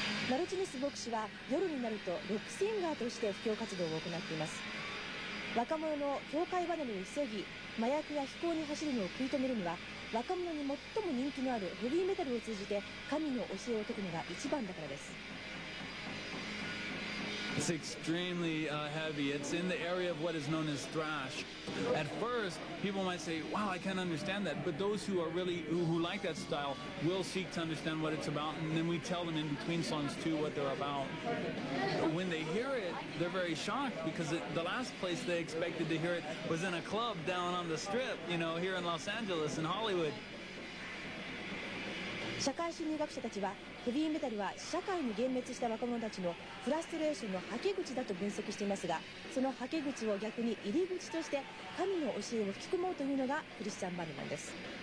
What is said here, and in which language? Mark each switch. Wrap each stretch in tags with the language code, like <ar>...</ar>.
<ja>マルチネス牧師は夜になるとロックシンガーとして布教活動を行っています。若者の教会離れを防ぎ、麻薬や非行に走るのを食い止めるには、若者に最も人気のあるヘビーメタルを通じて神の教えを説くのが一番だからです。</ja> <en>It's extremely heavy. It's in the area of what is known as thrash. At first, people might say, wow, I can't understand that. But those who are really, who like that style will seek to understand what it's about. And then we tell them in between songs too what they're about. But when they hear it, they're very shocked because the last place they expected to hear it was in a club down on the strip, you know, here in Los Angeles, in Hollywood.</en> <ja>社会心理学者たちは、ヘビーメタルは社会に幻滅した若者たちのフラストレーションの吐き口だと分析していますが、その吐き口を逆に入り口として神の教えを吹き込もうというのがクリスチャンバンドなんです。</ja>